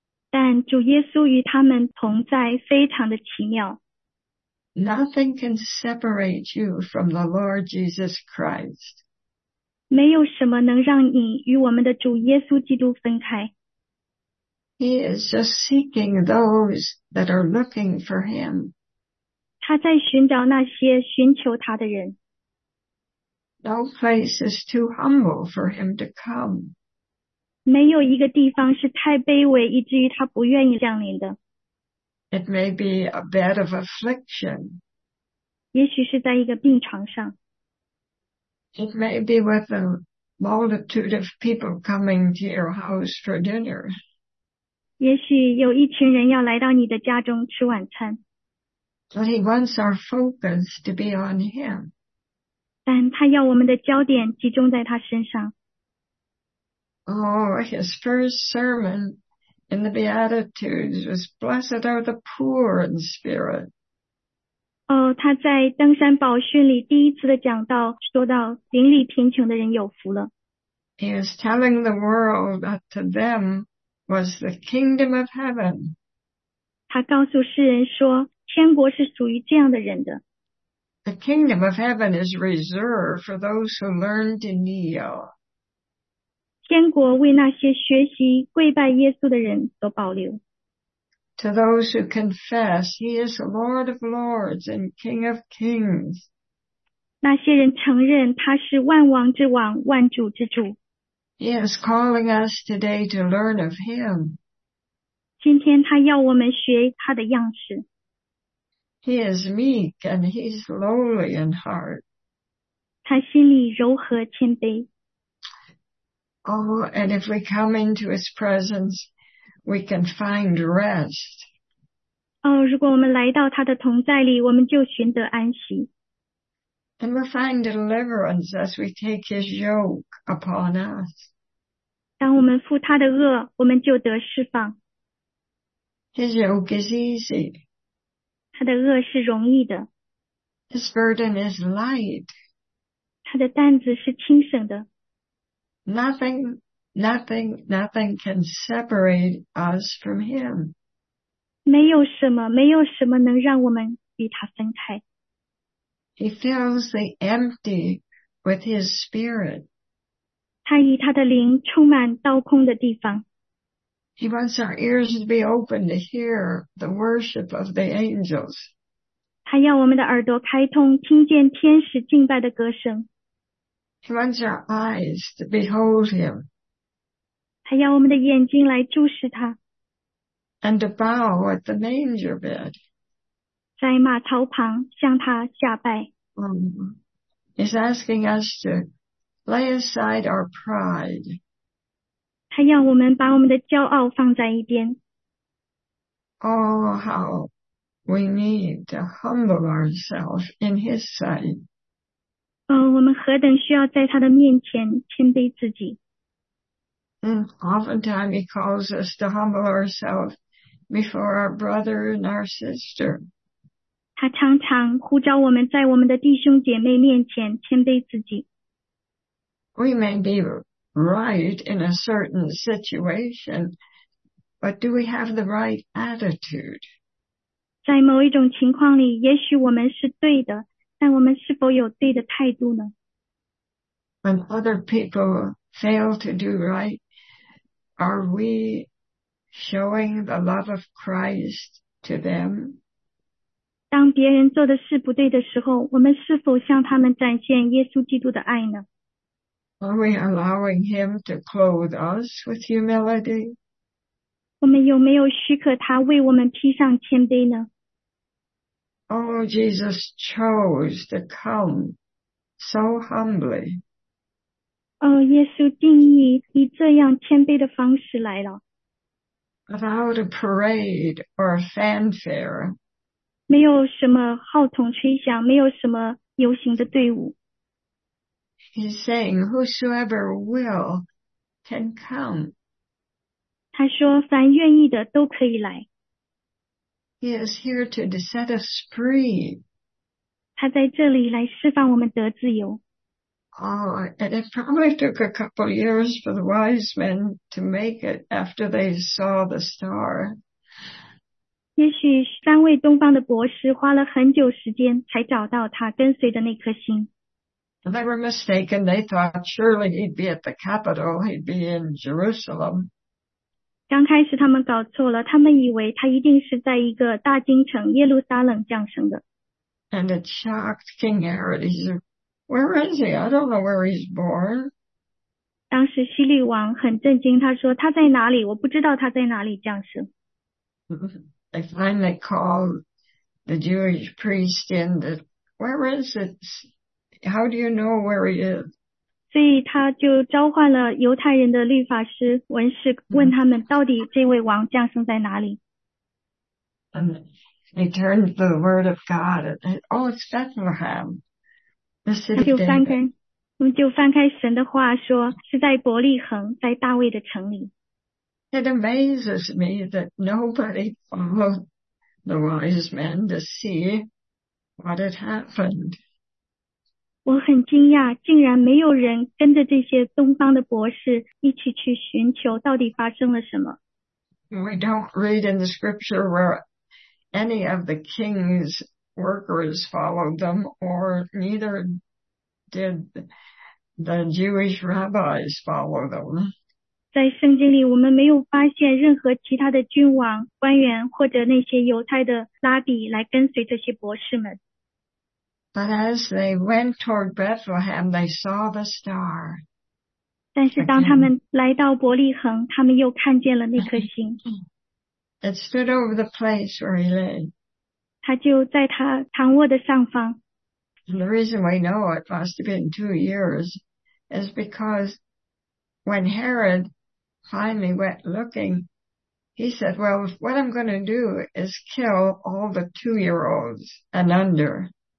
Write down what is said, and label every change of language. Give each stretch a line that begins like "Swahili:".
Chinese: 但主耶稣与他们同在，非常的奇妙。
English: Nothing can separate you from the Lord Jesus Christ.
Chinese: 没有什么能让你与我们的主耶稣基督分开。
English: He is just seeking those that are looking for him.
Chinese: 他在寻找那些寻求他的人。
English: No place is too humble for him to come.
Chinese: 没有一个地方是太卑微以至于他不愿意降临的。
English: It may be a bed of affliction.
Chinese: 也许是在一个病床上。
English: It may be with a multitude of people coming to your house for dinner.
Chinese: 也许有一群人要来到你的家中吃晚餐。
English: But he wants our focus to be on him.
Chinese: 但他要我们的焦点集中在他身上。
English: Oh, his first sermon in the Beatitudes was blessed are the poor in spirit.
Chinese: 哦，他在登山宝训里第一次的讲道说到邻里贫穷的人有福了。
English: He is telling the world that to them was the kingdom of heaven.
Chinese: 他告诉世人说天国是属于这样的人的。
English: The kingdom of heaven is reserved for those who learn to kneel.
Chinese: 天国为那些学习跪拜耶稣的人所保留。
English: To those who confess he is Lord of lords and King of kings.
Chinese: 那些人承认他是万王之王，万主之主。
English: He is calling us today to learn of him.
Chinese: 今天他要我们学他的样式。
English: He is meek and he is lowly in heart.
Chinese: 他心里柔和谦卑。
English: Oh, and if we come into his presence, we can find rest.
Chinese: 如果我们来到他的同在里，我们就寻得安息。
English: And we'll find deliverance as we take his yoke upon us.
Chinese: 当我们负他的轭，我们就得释放。
English: His yoke is easy.
Chinese: 他的轭是容易的。
English: His burden is light.
Chinese: 他的担子是轻省的。
English: Nothing can separate us from him.
Chinese: 没有什么能让我们与他分开。
English: He fills the empty with his spirit.
Chinese: 他以他的灵充满倒空的地方。
English: He wants our ears to be open to hear the worship of the angels.
Chinese: 他要我们的耳朵开通，听见天使敬拜的歌声。
English: He wants our eyes to behold him.
Chinese: 他要我们的眼睛来注视他。
English: And to bow at the manger bed.
Chinese: 在马槽旁向他下拜。
English: He's asking us to lay aside our pride.
Chinese: 他要我们把我们的骄傲放在一边。
English: Oh, how we need to humble ourselves in his sight.
Chinese: 我们何等需要在他的面前谦卑自己。
English: Oftentimes he calls us to humble ourselves before our brother and our sister.
Chinese: 他常常呼召我们在我们的弟兄姐妹面前谦卑自己。
English: We may be right in a certain situation, but do we have the right attitude?
Chinese: 在某一种情况里，也许我们是对的，但我们是否有对的态度呢？
English: When other people fail to do right, are we showing the love of Christ to them?
Chinese: 当别人做的事不对的时候，我们是否向他们展现耶稣基督的爱呢？
English: Are we allowing him to clothe us with humility?
Chinese: 我们有没有许可他为我们披上谦卑呢？
English: Oh, Jesus chose to come so humbly.
Chinese: 耶稣定义以这样谦卑的方式来了。
English: Without a parade or a fanfare.
Chinese: 没有什么号筒吹响，没有什么游行的队伍。
English: He's saying, whosoever will can come.
Chinese: 他说凡愿意的都可以来。
English: He is here to set us free.
Chinese: 他在这里来释放我们得自由。
English: Oh, and it probably took a couple of years for the wise men to make it after they saw the star.
Chinese: 也许三位东方的博士花了很久时间才找到他跟随的那颗星。
English: They were mistaken. They thought surely he'd be at the capital. He'd be in Jerusalem.
Chinese: 刚开始他们搞错了，他们以为他一定是在一个大京城耶路撒冷降生的。
English: And it shocked King Herod. Where is he? I don't know where he's born.
Chinese: 当时希律王很震惊，他说他在哪里？我不知道他在哪里降生。
English: They finally called the Jewish priest in. Where is it? How do you know where he is?
Chinese: 所以他就召唤了犹太人的律法师、文士，问他们到底这位王降生在哪里。
English: And they turned to the word of God. Oh, it's Bethlehem.
Chinese: 他们就翻开神的话，说是在伯利恒，在大卫的城里。
English: It amazes me that nobody followed the wise men to see what had happened.
Chinese: 我很惊讶，竟然没有人跟着这些东方的博士一起去寻求到底发生了什么。
English: We don't read in the scripture where any of the kings workers followed them, or neither did the Jewish rabbis follow them.
Chinese: 在圣经里，我们没有发现任何其他的君王、官员或者那些犹太的拉比来跟随这些博士们。
English: But as they went toward Bethlehem, they saw the star.
Chinese: 但是当他们来到伯利恒，他们又看见了那颗星。
English: It stood over the place where he lay.
Chinese: 他就在他躺卧的上方。
English: And the reason we know it must have been 2 years is because when Herod finally went looking, he said, well, what I'm going to do is kill all the 2-year-olds and under.